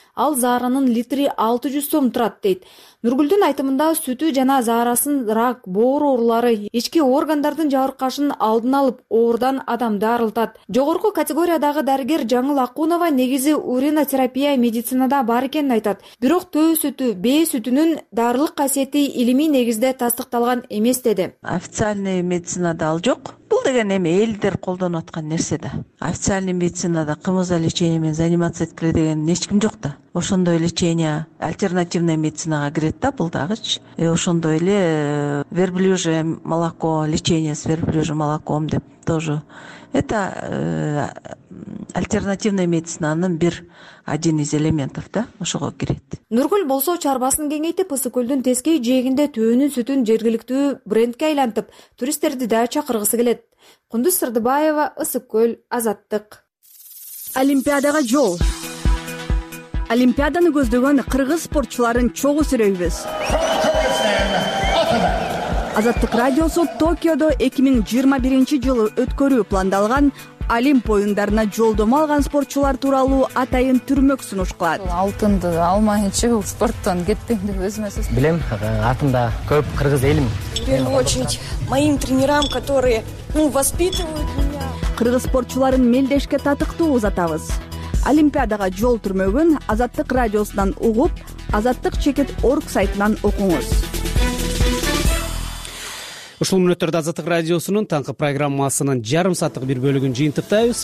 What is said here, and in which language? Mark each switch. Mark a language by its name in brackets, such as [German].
[Kyrgyz] Ал заарынын литри 600 сом турат дейт. Нургүлдүн айтымында сүтү жана заарасын рак, боор оорулары, ички органдардын жабыркашын алдын алып, оордан адамды арылтат. Жогорку категориядагы дарыгер Жаңыл Акунова негизи уринотерапия медицинада бар экенин айтат. Бирок төө сүтү, бээ сүтүнүн дарылык касиети илимий негизде тастыкталган эмес деди. Официальный медицинада ал жок. Бул деген эми элдер колдонуп аткан нерсе да. Официальный медицинада кымыз лечение менен заниматься эткиле деген эч ким жок. Ошондой лечение альтернативная медицинага кирет да бул дагыч. Ошондой эле [Russian] верблюже молоко, лечение с верблюжьим молоком деп тоже. Это альтернативная [Kyrgyz] медицинанын бир [Russian] один из элементов [Kyrgyz] да, ошого кирет. Нургүл болсо чарбасын кеңейтип, Ысык-Көлдүн тескей жээгинде төөнүн сүтүн жергиликтүү брендке айлантып, туристтерди да чакыргысы келет. Кундуз Сырдыбаева, Ысык-Көл, Азаттык. Олимпиадага жол. Олимпиаданы көздөгөн кыргыз спортчуларын чогуу сүрөйбүз. Азаттык радиосу Токиодо 2021 жылы өткөрүү пландалган Олимп оюндарына жолдомо алган спортчулар тууралуу атайын түрмөк сунуш кылат. Алтынды алмайынча бул спорттон кеттим деп өзүмө сөз. Билем, артымда көп кыргыз элим. [Russian] В первую очередь моим тренерам, которые, воспитывают меня. [Kyrgyz] Кыргыз спортчуларын мелдешке татыктуу узатабыз. Олимпиадага жол түрмөгүн Азаттык радиосунан угуп, Азаттык чекит орг сайтынан окуңуз. Ушул мүнөттөрдө Азаттык радиосунун таңкы программасынын жарым сааттык бир бөлүгүн жыйынтыктайбыз.